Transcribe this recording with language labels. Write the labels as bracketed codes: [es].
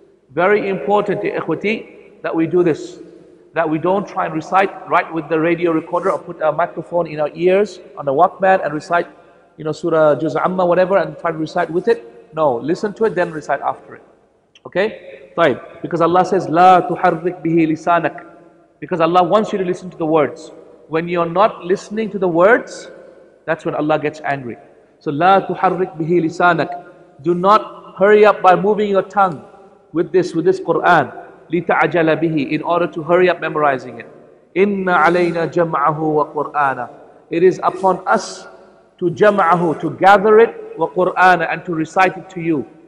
[en] Very important, ikhwati, that we do this. That we don't try and recite right with the radio recorder or put a microphone in our ears on the Walkman and recite, you know, Surah Juz Amma, whatever, and try to recite with it. No, listen to it, then recite after it. Okay? طيب. Because Allah says, [ar] لا تحرك به لسانك. [en] Because Allah wants you to listen to the words. When you're not listening to the words, that's when Allah gets angry. [ar] So, لا تحرك به لسانك. [en] Do not hurry up by moving your tongue with this Qur'an. [ar] لِتَعَجَلَ بِهِ, [en] in order to hurry up memorizing it. [ar] إِنَّ عَلَيْنَا جَمْعَهُ وَقُرْآنَ. [en] It is upon us to jam'ahu, to gather it, وَقُرْآنَ, and to recite it to you.